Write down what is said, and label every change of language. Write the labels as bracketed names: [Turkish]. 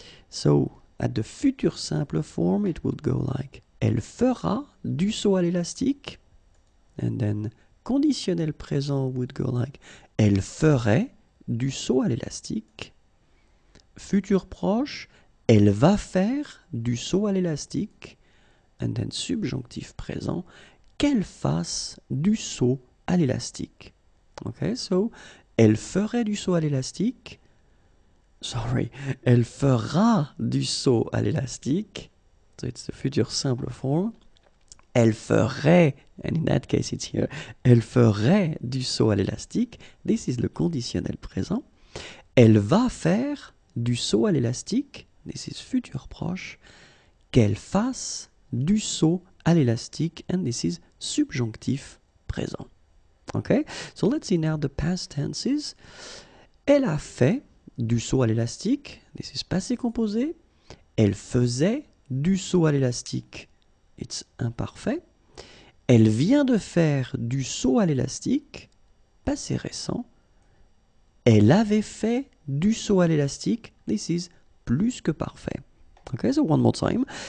[English] So at the future simple form it would go like [French] elle fera du saut à l'élastique, [English] and then conditionnel présent would go like [French] elle ferait du saut à l'élastique, futur proche elle va faire du saut à l'élastique, [English] and then [French] subjonctif présent qu'elle fasse du saut à l'élastique. [English] Okay, so [French] elle ferait du saut à l'élastique. [English] Sorry. [French] Elle fera du saut à l'élastique. [English] So it's the future simple form. [French] Elle ferait. [English] And in that case, it's here. [French] Elle ferait du saut à l'élastique. [English] This is [French] le conditionnel présent. Elle va faire du saut à l'élastique. [English] This is [French] future proche. Qu'elle fasse du saut à l'élastique. [English] And this is [French] subjonctif présent. [English] Okay, so let's see now the past tenses. [French] Elle a fait du saut à l'élastique. [English] This is [French] passé composé. Elle faisait du saut à l'élastique. [English] It's [French] imparfait. Elle vient de faire du saut à l'élastique. Passé récent. Elle avait fait du saut à l'élastique. [English] This is plus que parfait. Okay, so one more time.